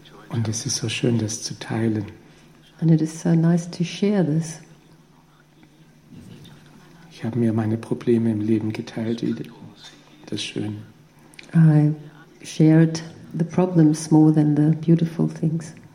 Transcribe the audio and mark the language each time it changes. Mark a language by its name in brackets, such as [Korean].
[German] Und es ist so schön, das zu teilen. [English] And it is so nice to share this. [German] Ich habe mir meine Probleme im Leben geteilt, das ist schön. [English] I shared the problems more than the beautiful things.